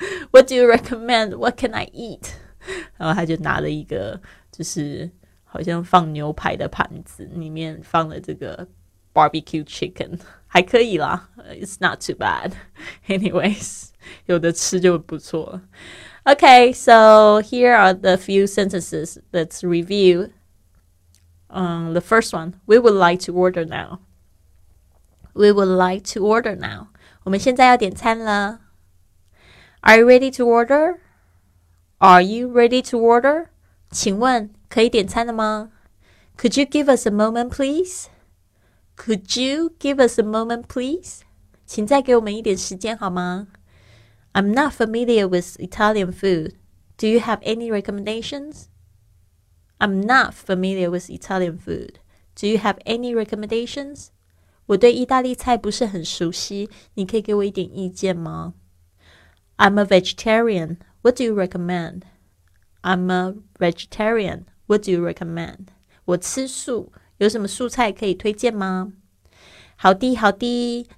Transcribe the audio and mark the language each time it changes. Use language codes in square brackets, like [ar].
[en] What do you recommend? What can I eat? [zh] 然后他就拿了一个就是好像放牛排的盘子，里面放了这个 barbecue chicken， 还可以啦， [en] it's not too bad anyways， [zh] 有的吃就不错了。 [en] OK， so here are the few sentences let's review. The first one, we would like to order now. We would like to order now. [zh] 我们现在要点餐了。 [en] Are you ready to orderAre you ready to order? [zh] 请问可以点餐了吗？ [en] Could you give us a moment, please? Could you give us a moment, please? [zh] 请再给我们一点时间好吗？ [en] I'm not familiar with Italian food. Do you have any recommendations? I'm not familiar with Italian food. Do you have any recommendations? [zh] 我对意大利菜不是很熟悉，你可以给我一点意见吗？ [en] I'm a vegetarian. What do you recommend? I'm a vegetarian. What do you recommend? [zh] 我吃素，有什么素菜可以推荐吗？好的，好的。